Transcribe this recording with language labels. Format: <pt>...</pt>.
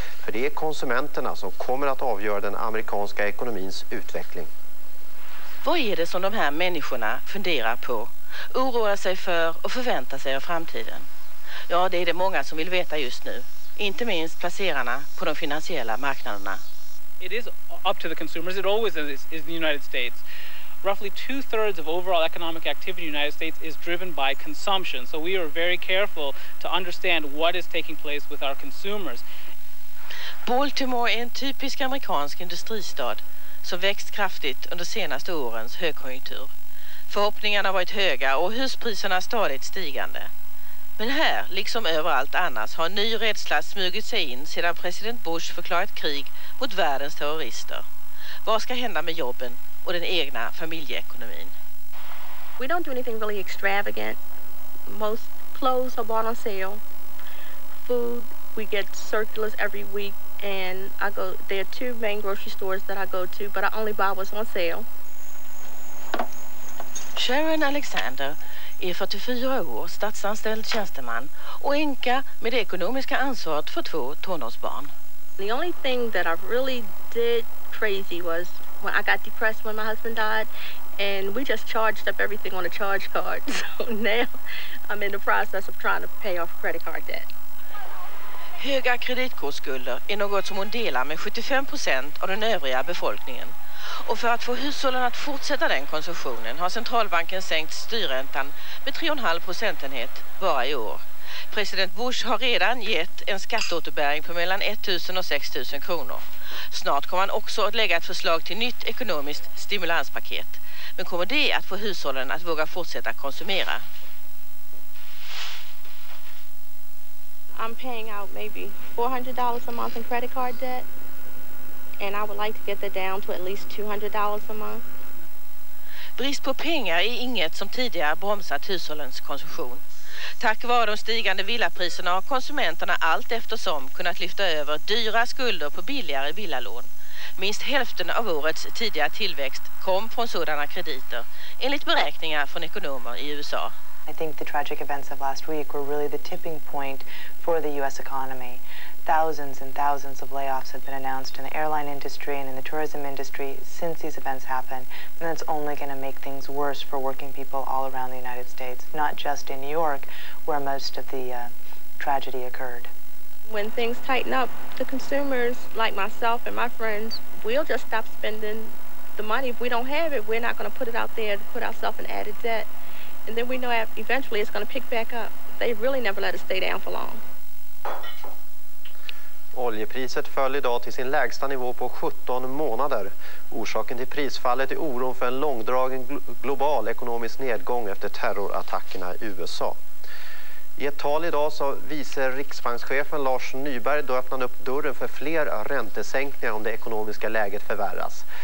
<sv>För det är konsumenterna som kommer att avgöra den amerikanska ekonomins utveckling. Vad är det som de här människorna funderar på, oroar sig för och förväntar sig av framtiden? Ja, det är det många som vill veta just nu. Inte minst placerarna på de finansiella marknaderna.</sv> <en>It is up to the consumers. It always is in the United States. Roughly 2/3 of overall economic activity in the United States is driven by consumption. So we are very careful to understand what is taking place with our consumers.</en> <sv>Baltimore är en typisk amerikansk industristad som växt kraftigt under senaste årens högkonjunktur. Förhoppningarna har varit höga och huspriserna stadigt stigande. Men här, liksom överallt annars, har en ny rädsla smugit sig in sedan president Bush förklarat krig mot världens terrorister. Vad ska hända med jobben och den egna familjeekonomin?</sv> <en>We don't do anything really extravagant. Most clothes are bought on sale. Food, we get circulars every week. And I go, there are two main grocery stores that I go to, but I only buy what's on sale.</en> <sv>Sharon Alexander är 44 år, statsanställd tjänsteman och änka med det ekonomiska ansvaret för två tonårsbarn.</sv> <en>The only thing that I really did crazy was when I got depressed when my husband died, and we just charged up everything on a charge card. So now I'm in the process of trying to pay off credit card debt.</en> <sv>Höga kreditkortsskulder är något som hon delar med 75% av den övriga befolkningen. Och för att få hushållen att fortsätta den konsumtionen har centralbanken sänkt styrräntan med 3,5 procentenhet bara i år. President Bush har redan gett en skatteåterbäring på mellan 1 000 och 6 000 kronor. Snart kommer han också att lägga ett förslag till nytt ekonomiskt stimulanspaket. Men kommer det att få hushållen att våga fortsätta konsumera?</sv> <en>I'm paying out maybe $400 a month in credit card debt. And I would like to get that down to at least $200 a month.</en> <sv>Brist på pengar är inget som tidigare bromsat hushållens konsumtion. Tack vare de stigande villapriserna har konsumenterna allt eftersom kunnat lyfta över dyra skulder på billigare villalån. Minst hälften av årets tidiga tillväxt kom från sådana krediter, enligt beräkningar från ekonomer i USA.</sv> <en>I think the tragic events of last week were really the tipping point for the US economy. Thousands and thousands of layoffs have been announced in the airline industry and in the tourism industry since these events happened. And that's only going to make things worse for working people all around the United States, not just in New York, where most of the tragedy occurred. When things tighten up, the consumers, like myself and my friends, we'll just stop spending the money. If we don't have it, we're not going to put it out there to put ourselves in added debt. And then we know eventually it's going to pick back up. They really never let it stay down for long.</en> <sv>Oljepriset föll idag till sin lägsta nivå på 17 månader. Orsaken till prisfallet är oron för en långdragen global ekonomisk nedgång efter terrorattackerna i USA. I ett tal idag så visar riksbankschefen Lars Nyberg då öppnade upp dörren för fler räntesänkningar om det ekonomiska läget förvärras.</sv>